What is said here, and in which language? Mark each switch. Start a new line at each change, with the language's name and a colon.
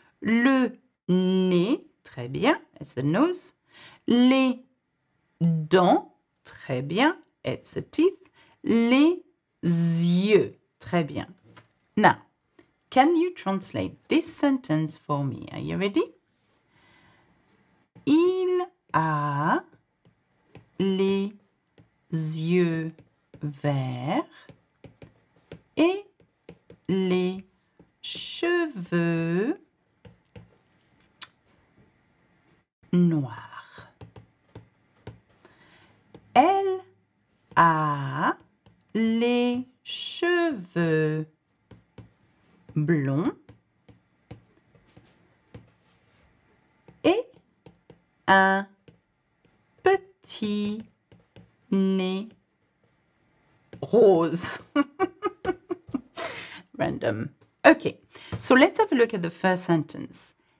French: Le nez. Très bien.
English: It's the nose.
French: Les dents. Très bien.
English: It's the teeth.
French: Les yeux. Très bien.
English: Now, can you translate this sentence for me? Are you ready?
French: Il a les yeux verts et les cheveux noirs. Elle a les cheveux blonds et un petit nez rose.
English: Random. Okay, so let's have a look at the first sentence.